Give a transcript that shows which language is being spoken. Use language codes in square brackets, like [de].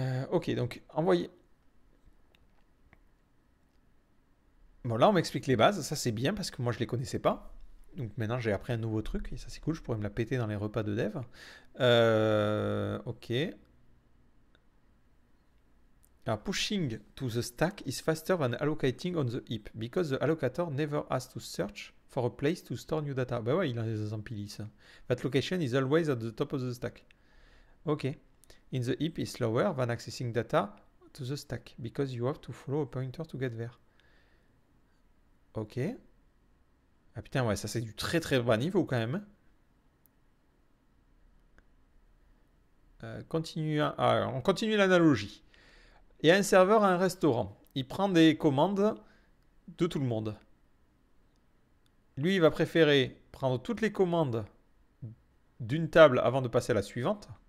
[fr] Ok, donc, envoyez. Bon, là, on m'explique les bases. Ça, c'est bien parce que moi, je ne les connaissais pas. Donc maintenant j'ai appris un nouveau truc et ça c'est cool, je pourrais me la péter dans les repas de dev. Ok. [en] Alors, pushing to the stack is faster than allocating on the heap because the allocator never has to search for a place to store new data. [fr] Ben ouais, il a des empilis. [en] That location is always at the top of the stack. Ok. In the heap is slower than accessing data to the stack because you have to follow a pointer to get there. Ok. [fr] Ah putain, ouais, ça c'est du très très bas niveau quand même. On continue l'analogie. Il y a un serveur à un restaurant. Il prend des commandes de tout le monde. Lui, il va préférer prendre toutes les commandes d'une table avant de passer à la suivante.